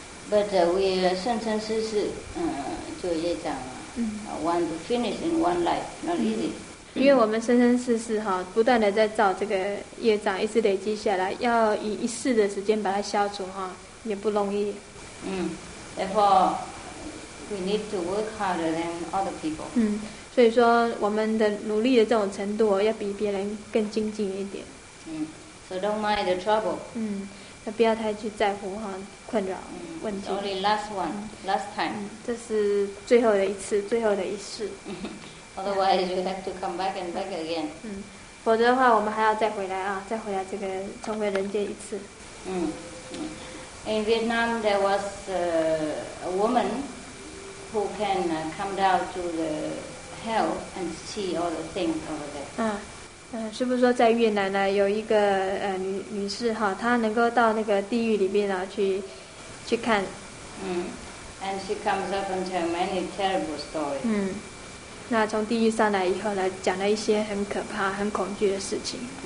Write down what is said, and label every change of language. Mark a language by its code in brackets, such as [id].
[en] But we [zh] sen sen si si, zuo ye zhang, [en] want to finish in one life, not easy. [zh] 因为我们生生世世哈，不断的在造这个业障，一直累积下来，要以一世的时间把它消除哈，也不容易。 [en] Therefore, we need to work harder than other people. [zh] 所以说我们的努力的这种程度，要比别人更精进一点。 [en] So don't mind the trouble. [zh] 那不要太去在乎哈，困扰问题。 [en] Only last one, last time. [zh] 这是最后的一次，最后的一世。 [en] Otherwise, we have to come back and back again. [zh] 否则的话，我们还要再回来啊，再回来这个重回人间一次。 [en] In Vietnam, there was a woman who can come down to the hell and see all the things over there. [zh] 是不是说在越南呢有一个女士哈，她能够到那个地狱里面啊去看。 [en] And she comes up and tell many terrible stories. [zh] 那从地狱上来以后呢，讲了一些很可怕、很恐惧的事情。